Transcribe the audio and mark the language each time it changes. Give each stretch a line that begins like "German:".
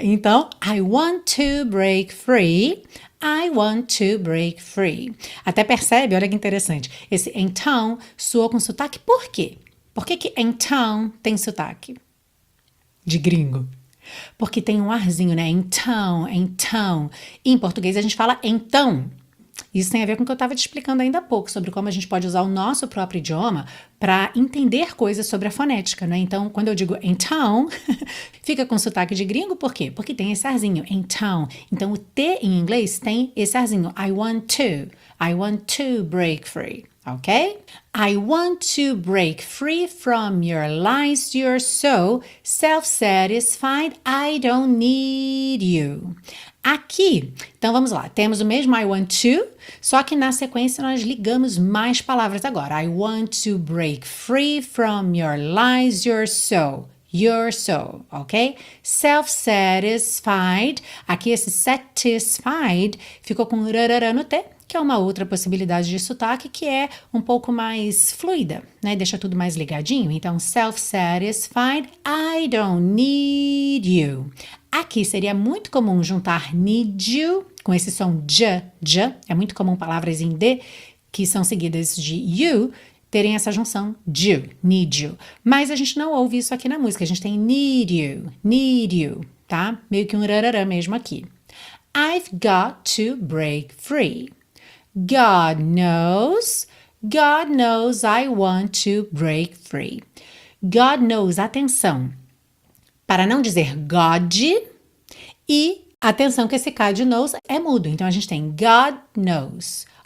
Portuguese: Então,
English: I want to break free, I want to break free.
Portuguese: Até percebe, olha que interessante, esse então soou com sotaque, por quê? Por que que então tem sotaque de gringo? Porque tem um arzinho, né? Então, então. Em português a gente fala então, Isso tem a ver com o que eu estava te explicando ainda há pouco, sobre como a gente pode usar o nosso próprio idioma para entender coisas sobre a fonética, né? Então, quando eu digo então, fica com sotaque de gringo, por quê? Porque tem esse arzinho, então. Então, o T em inglês tem esse arzinho,
English: I want to break free,
Portuguese: ok?
English: I want to break free from your lies, you're so self-satisfied, I don't need you.
Portuguese: Aqui, então vamos lá, temos o mesmo I want to, só que na sequência nós ligamos mais palavras agora.
English: I want to break free from your lies, you're so, ok?
Portuguese: Self-satisfied, aqui esse satisfied ficou com rarara no T, que é uma outra possibilidade de sotaque que é um pouco mais fluida, né? Deixa tudo mais ligadinho. Então,
English: self-satisfied, I don't need you.
Portuguese: Aqui seria muito comum juntar
English: need you
Portuguese: com esse som j, é muito comum palavras em D que são seguidas de you terem essa junção you, need you. Mas a gente não ouve isso aqui na música, a gente tem
English: need you,
Portuguese: tá? Meio que um rarará mesmo aqui.
English: I've got to break free. God knows I want to break free. God knows,
Portuguese: atenção, para não dizer God, e atenção que esse K de knows é mudo. Então, a gente tem
English: God knows.